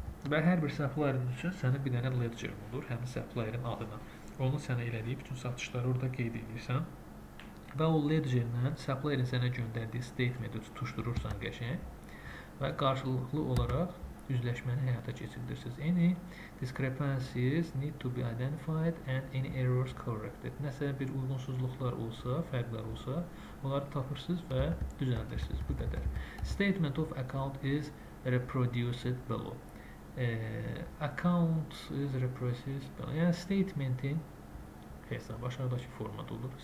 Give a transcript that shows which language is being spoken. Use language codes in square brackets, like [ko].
[az] Və hər bir supplier-in üçün sənə bir dənə ledger olur, həmin supplier-in adına. Onu sənə elədiyi bütün satışları orada qeyd edirsən. Və o ledger-lə supplier-in sənə göndərdiyi statement-i tutuşdurursan qəşəyə və qarşılıqlı olaraq üzləşməni həyata keçirdirsiniz. [en] Any discrepancies need to be identified and any errors corrected. [az] Nəsə bir uyğunsuzluqlar olsa, fərqlər olsa, onları tapırsınız və düzəldirsiniz. Bu qədər. [en] Statement of account is reproduced below. Account is reproduced below. [az] Yəni statementin hesab aşağıdakı formada olur.